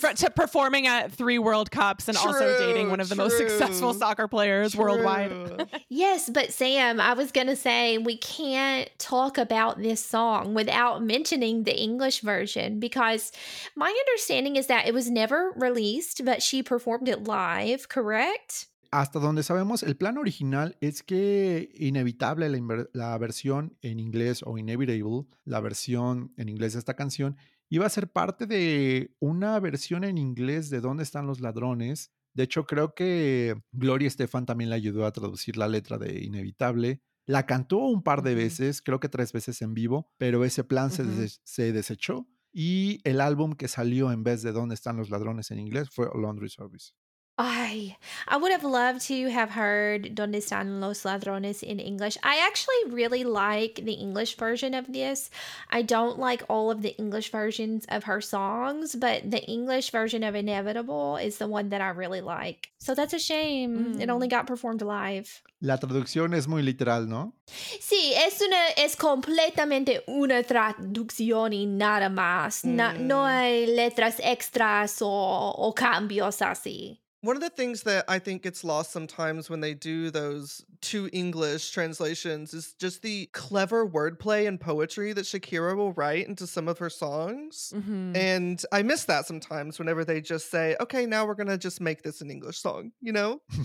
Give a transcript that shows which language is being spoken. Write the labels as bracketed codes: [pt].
[en] To performing at 3 World Cups and also dating one of the most successful soccer players worldwide. Yes, but Sam, I was going to say, we can't talk about this song without mentioning the English version because my understanding is that it was never released, but she performed it live, correct? [es] Hasta donde sabemos, el plan original es que Inevitable, la versión en inglés, o Inevitable, la versión en inglés de esta canción, iba a ser parte de una versión en inglés de ¿Dónde están los ladrones? De hecho, creo que Gloria Estefan también le ayudó a traducir la letra de Inevitable. La cantó un par de veces, creo que 3 veces en vivo, pero ese plan se desechó. Y el álbum que salió en vez de ¿Dónde están los ladrones? En inglés fue Laundry Service. [en] I would have loved to have heard Donde Están Los Ladrones in English. I actually really like the English version of this. I don't like all of the English versions of her songs, but the English version of Inevitable is the one that I really like. So that's a shame. It only got performed live. [es] La traducción es muy literal, ¿no? Sí, es completamente una traducción y nada más. No hay letras extras o cambios así. [en] One of the things that I think gets lost sometimes when they do those two English translations is just the clever wordplay and poetry that Shakira will write into some of her songs. Mm-hmm. And I miss that sometimes whenever they just say, okay, now we're going to just make this an English song, you know?